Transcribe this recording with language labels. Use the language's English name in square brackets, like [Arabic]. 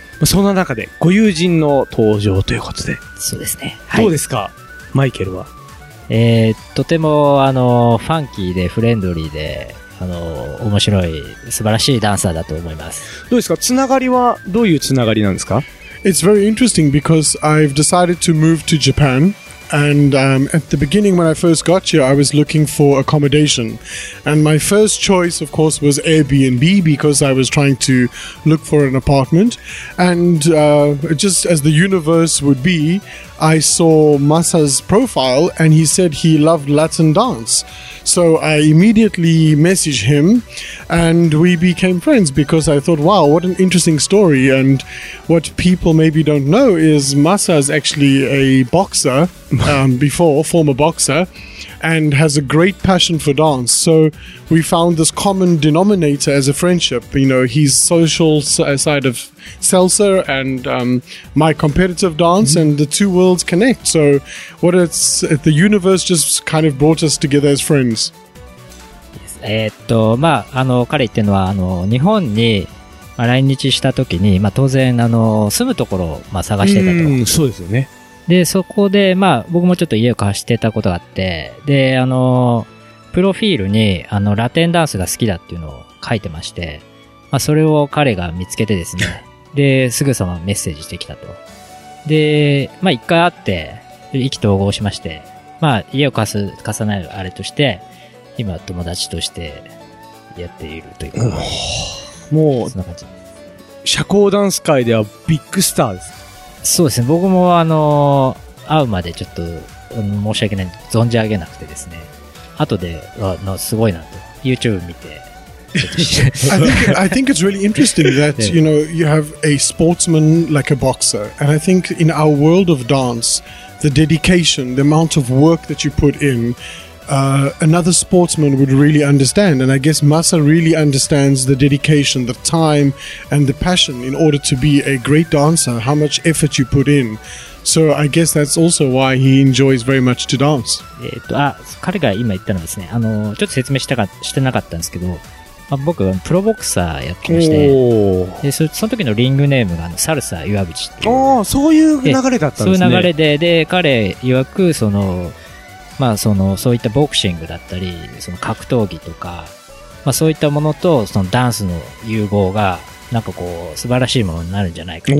[Japanese] そんな中でご友人の登場ということで。そうですね、はい、どうですかマイケルは。とてもファンキーでフレンドリーで面白い素晴らしいダンサーだと思います。どうですか、つながりはどういうつながりなんですか。 [English] It's very interesting because I've decided to move to Japan and at the beginning when I first got here I was looking for accommodation and my first choice of course was Airbnb because I was trying to look for an apartment and just as the universe would beI saw Masa's profile and he said he loved Latin dance. So I immediately messaged him and we became friends because I thought, wow, what an interesting story. And what people maybe don't know is Masa is actually a boxer, before, former boxer, and has a great passion for dance. So we found this common denominator as a friendship. You know, his social side of salsa and my competitive dance mm-hmm. and the two worlds. Connect. So, what it's the universe just kind of brought us together as friends. [Japanese] まあ、彼っていうのは、日本に、来日したときに、まあ、当然、住むところを、まあ、探してたと。そうですよね。で、そこで、まあ、僕もちょっと家を貸してたことがあって、で、プロフィールに、ラテンダンスが好きだっていうのを書いてまして、まあ、それを彼が見つけてですね、で、すぐさまメッセージしてきたと。で、まあ、一回会って、意気投合しまして、まあ、家を貸さないあれとして、今、友達としてやっているというか、もう、そんな感じ。社交ダンス界ではビッグスターです。そうですね、僕も会うまでちょっと、申し訳ない、存じ上げなくてですね、後で、すごいなと、YouTube 見て、 [English] I think it's really interesting that, you know, you have a sportsman like a boxer. And I think in our world of dance, the dedication, the amount of work that you put in, another sportsman would really understand. And I guess Masa really understands the dedication, the time and the passion in order to be a great dancer, how much effort you put in. So I guess that's also why he enjoys very much to dance. [Japanese] 彼が今言ったのですね、ちょっと説明してなかったんですけど、まあ、僕はプロボクサーやってまして、でその時のリングネームがサルサ・岩淵っていう。ああ、そういう流れだったんですね。そういう流れで、で、彼曰く、まあ、そういったボクシングだったり、その格闘技とか、まあ、そういったものと、そのダンスの融合が、なんかこう、素晴らしいものになるんじゃないかと。